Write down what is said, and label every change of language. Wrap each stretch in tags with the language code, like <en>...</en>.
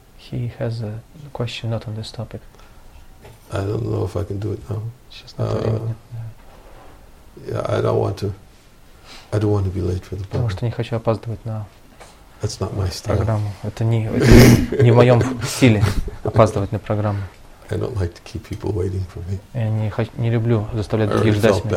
<en>He has a question not on this topic. I don't know if I can do it now. It's just not Yeah, I don't want to be late for the program.</en> <ru>Потому что не хочу опаздывать на</ru> <en>That's not my style.</en> <ru>Программу. Это не в моем стиле опаздывать на программу.</ru> <en>I don't like to keep people waiting for me.</en> <ru>Я не люблю заставлять людей ждать меня.</ru>